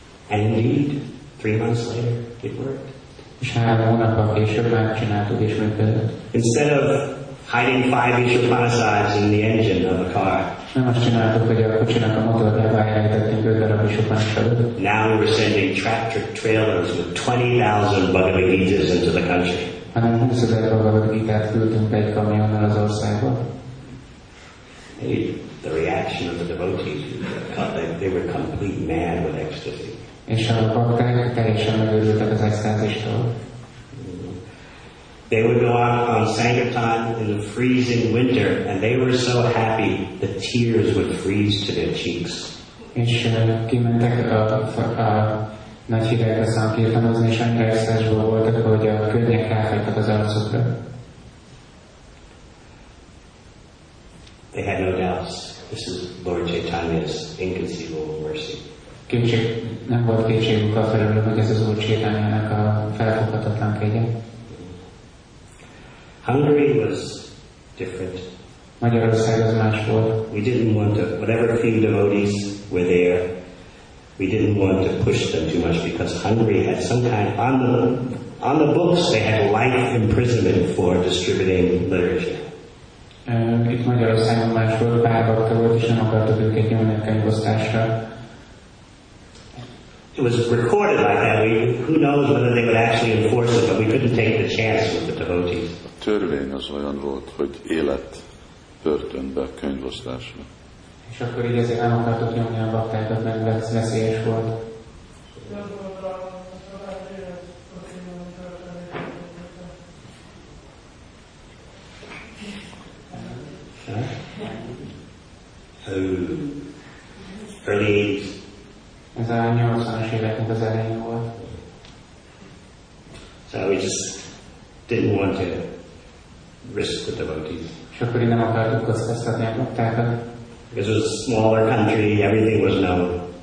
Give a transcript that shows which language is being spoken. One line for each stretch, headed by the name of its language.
English: And indeed, 3 months later, it worked. Instead of hiding 5 Vishvanathas in the engine of a car, now we're sending tractor trailers with 20,000 Bhagavad Gitas into the country.
Hungarian: Hanem 20 ezer Bhagavad Gitát küldtünk egy kamionnal az országba.
English: Maybe the reaction of the devotees, they were complete mad with ecstasy.
Hungarian: És a bakták teljesen megőrültek az extázistól.
English: They would go out on Sankirtan in the freezing winter, and they were so happy the tears would freeze to their cheeks.
Hungarian: És kimentek a nagy hidegre szankirtanozni, és annyira extázisban voltak, hogy a könnyek ráfagytak az arcukra.
English: They had no doubts. This is Lord Chaitanya's inconceivable mercy.
Hungarian: Kétség, nem volt kétségük a felelőnök, hogy ez az Úr Chaitanyának a felfoghatatlan kegye.
English: Hungary was different.
Hungarian: Magyarország az más volt.
English: We didn't want to, whatever few devotees were there, we didn't want to push them too much because Hungary had some kind on the books they had life imprisonment for distributing literature.
Hungarian: Itt Magyarországon más volt, pár bakta volt, és nem akartak őket nyomni a könyvosztásra.
English: It was recorded like that. Who knows whether they would actually enforce it, but we couldn't take the chance with the devotees.
Hungarian: A törvény az olyan volt, hogy élet börtönbe könyvosztásra. És akkor így ezért nem akartok nyomni a baktákat, mert veszélyes volt. Ez a 80-as éveknek az elején volt.
English: So we just didn't want to risk the devotees.
Hungarian: És akkor így nem akartok kockáztatni a baktákat.
English: This was a smaller country, everything was known.